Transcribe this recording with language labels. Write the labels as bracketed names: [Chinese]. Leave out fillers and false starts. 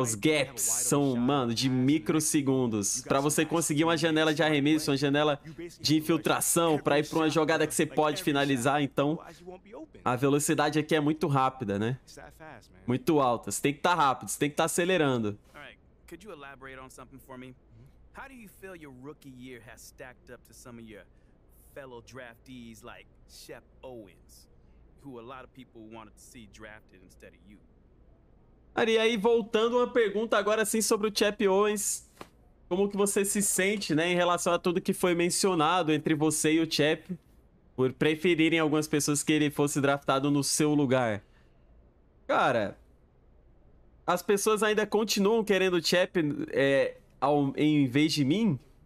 [Portuguese] Os gaps são, mano, de microsegundos. Pra você conseguir uma janela de arremesso, uma janela de infiltração, pra ir pra uma jogada que você pode finalizar, então a velocidade aqui é muito rápida, né? Muito alta. Você tem que estar rápido, você tem que estar acelerando. [English] Could you elaborate on something for me? How do you feel your rookie year has stacked up to some of your fellow draftees like Shep Owens, who a lot of people wanted to see drafted instead of you? [Portuguese] E aí, voltando uma pergunta agora assim sobre o Shep Owens, como que você se sente, né, em relação a tudo que foi mencionado entre você e o Shep por preferirem algumas pessoas que ele fosse draftado no seu lugar? Cara, as pessoas ainda continuam querendo o Chap em vez de mim?